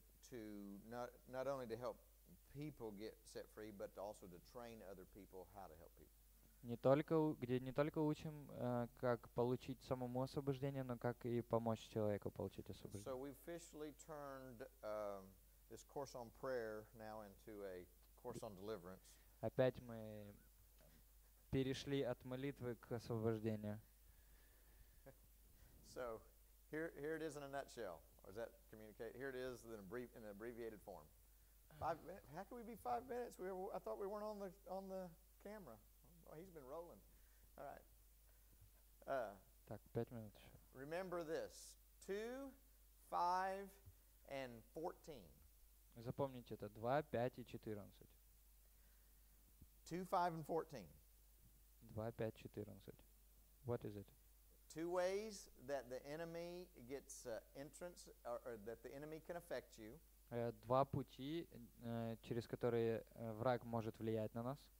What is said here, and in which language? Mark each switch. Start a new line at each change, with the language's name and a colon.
English: Not only to help people get set free, but also to train other people how to help people.
Russian: Не только где не только учим как получить самому освобождение, но как и помочь человеку получить освобождение.
English: So we officially turned this course on prayer now into a course on deliverance.
Russian: Опять мы перешли от молитвы к освобождению.
English: So here it is in a nutshell. Or is that communicate? Here it is in an abbreviated form. 5 minutes? How can we be 5 minutes? I thought we weren't on the camera. Well, he's been rolling. All right.
Russian: Так, 5 минут.
English: Remember this: 2, 5, and 14.
Russian: Запомните это: 2, 5, и 14.
English: 2, 5, and 14. 2, 5, 14. What is it? Two ways that the enemy gets entrance, or that the enemy can affect you.
Russian: Два пути, через которые враг может влиять на нас.